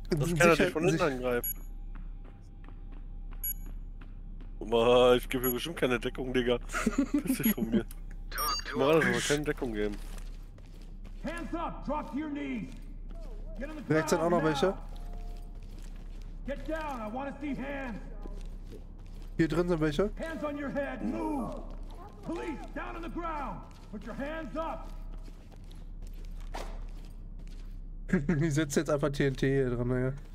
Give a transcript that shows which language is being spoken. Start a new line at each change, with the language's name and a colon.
German: das kann er dich von hinten angreifen. Boah, ich gebe hier bestimmt keine Deckung, Digga. Piss dich von mir. Mal, das aber keine Deckung geben.
English: Hands up, drop to your knees. Get on the ground.
German: Rechts sind auch noch welche.
English: Get down, I want to see hands.
German: Hier drin sind welche.
English: Hands on your head, move. Police, down on the ground. Put your hands up.
German: Ich setze jetzt einfach TNT hier drin, ne?